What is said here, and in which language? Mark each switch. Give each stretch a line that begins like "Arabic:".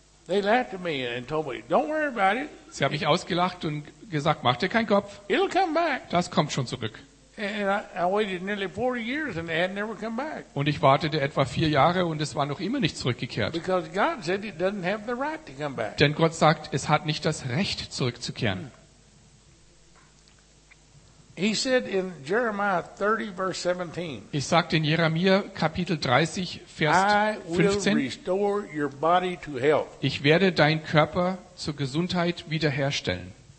English: They laughed at me and told me, "Don't worry about it."
German: Sie haben mich ausgelacht und gesagt, mach dir keinen Kopf.
English: It'll come back.
German: Das kommt schon zurück.
English: And I waited nearly 40 years and it had never come back.
German: Und ich wartete etwa 4 Jahre und es war noch immer nicht zurückgekehrt.
English: Because God said it doesn't have the right to come back.
German: Denn Gott sagt, es hat nicht das Recht, zurückzukehren.
English: He said in Jeremiah 30, verse 17.
German: Ich sagte in Jeremia Kapitel 30, Vers 15.
English: I will restore your body to health.
German: Ich werde deinen Körper zur Gesundheit wiederherstellen.